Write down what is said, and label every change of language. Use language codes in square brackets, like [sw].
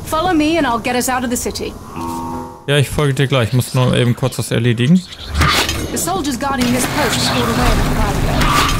[en] Follow me and I'll get us out of the city. [de] Ja, ich folge dir gleich. Ich muss nur eben kurz was erledigen. [en] The soldiers guarding this post pulled away from Gallagher.